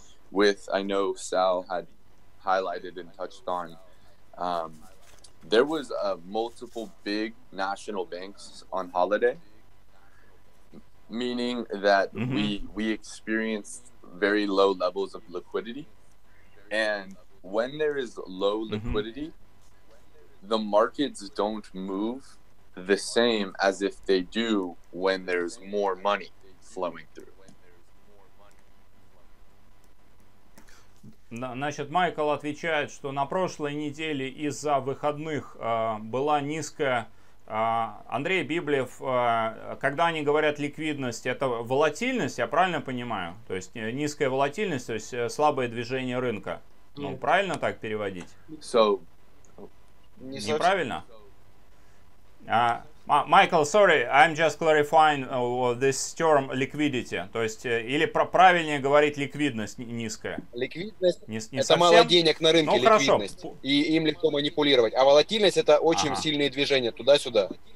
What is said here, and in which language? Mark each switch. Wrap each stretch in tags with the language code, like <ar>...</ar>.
<en>With I know Sal had highlighted and touched on, there was multiple big national banks on holiday, meaning that we experienced very low levels of liquidity. And when there is low liquidity, the markets don't move the same as if they do when there's more money flowing through.</en> <ru>Значит, Майкл отвечает, что на прошлой неделе из-за выходных была низкая. Андрей Библиев, когда они говорят ликвидность, это волатильность, я правильно понимаю? То есть низкая волатильность, то есть слабое движение рынка.</ru> <en>Yeah.</en> <ru>Ну, правильно так переводить?</ru> <en>So,</en> <ru>неправильно?</ru> <en>Майкл, sorry, I'm just clarifying this term liquidity.</en> <ru>То есть, или правильнее говорить ликвидность низкая. Ликвидность не это совсем? Мало денег на рынке, ликвидность. Хорошо. И им легко манипулировать. А волатильность это очень сильные движения туда-сюда.</ru>